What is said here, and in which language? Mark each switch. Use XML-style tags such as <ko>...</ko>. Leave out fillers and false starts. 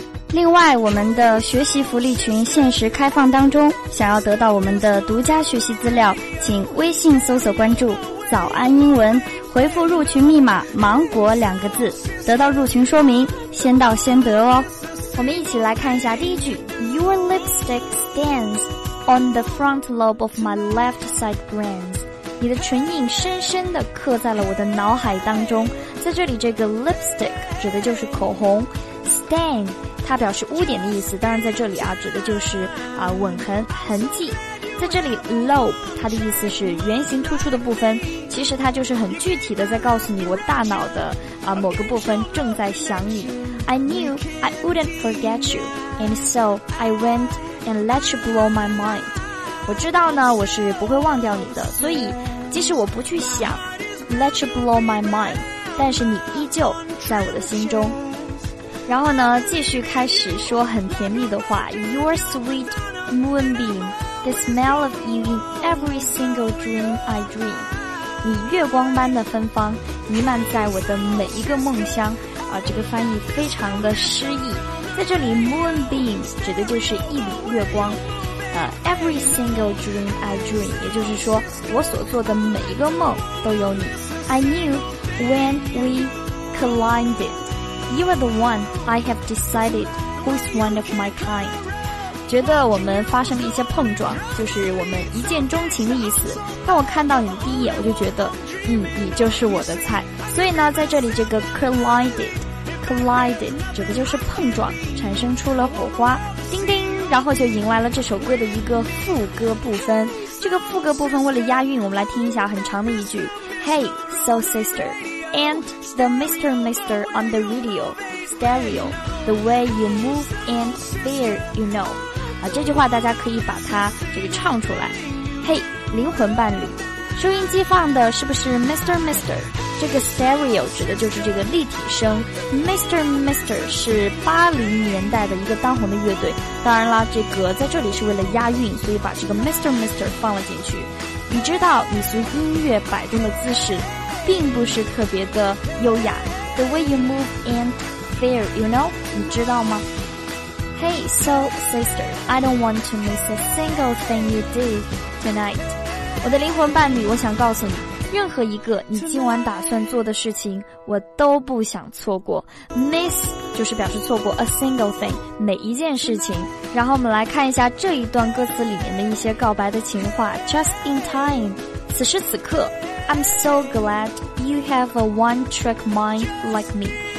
<zh>另外，我们的学习福利群限时开放当中，想要得到我们的独家学习资料，请微信搜索关注早安英文，回复入群密码芒果两个字，得到入群说明，先到先得哦。我们一起来看一下第一句，</zh> <en>Your lipstick stands on the front lobe of my left side brain。</en> <zh>你的唇印深深地刻在了我的脑海当中。在这里，这个 lipstick 指的就是口红， stain 它表示污点的意思，当然在这里啊指的就是吻痕、痕迹。在这里 lobe 它的意思是圆形突出的部分，其实它就是很具体的在告诉你我大脑的某个部分正在想你。</zh> <en>I knew I wouldn't forget you and so I went and let you blow my mind。</en> <zh>我知道呢，我是不会忘掉你的，所以即使我不去想</zh> <en>Let you blow my mind，</en> <zh>但是你依旧在我的心中。然后呢，继续开始说很甜蜜的话，</zh> <en>Your sweet moonbeam, the smell of you in every single dream I dream。</en> <zh>你月光般的芬芳弥漫在我的每一个梦乡啊，这个翻译非常的诗意。在这里 moonbeam 指的就是一缕月光，</zh> <en>Every single dream I dream，</en> <zh>也就是说我所做的每一个梦都有你。</zh> <en>I knew when we collided you are the one I have decided who's one of my kind。</en> <zh>觉得我们发生了一些碰撞，就是我们一见钟情的意思。当我看到你第一眼，我就觉得你就是我的菜。所以呢，在这里这个 collided 指的就是碰撞，产生出了火花，叮叮，然后就迎来了这首歌的一个副歌部分。这个副歌部分为了押韵，我们来听一下很长的一句</zh> <en>Hey Soul Sister and the Mr. Mister on the radio stereo the way you move and fear you know、</en> <zh>这句话大家可以把它这个唱出来。 Hey 灵魂伴侣，收音机放的是不是 Mr.</zh> <en>Mister？</en> <zh>这个 stereo 指的就是这个立体声。</zh> <en>Mr.</en> <zh>Mister 是80年代的一个当红的乐队，当然啦，这个在这里是为了押韵，所以把这个 Mr. Mister 放了进去。你知道你随音乐摆动的姿势并不是特别的优雅，</zh> <en>The way you move and fear you know，</en> <zh>你知道吗？</zh> <en>Hey Soul Sister I don't want to miss a single thing you did tonight。</en> <zh>我的灵魂伴侣，我想告诉你，任何一个你今晚打算做的事情我都不想错过。 Miss 就是表示错过，</zh> <en>A single thing</en> <zh>每一件事情。然后我们来看一下这一段歌词里面的一些告白的情话。</zh> <en>Just in time，</en> <zh>此时此刻，</zh> <en>I'm so glad you have a one track mind like me。</en>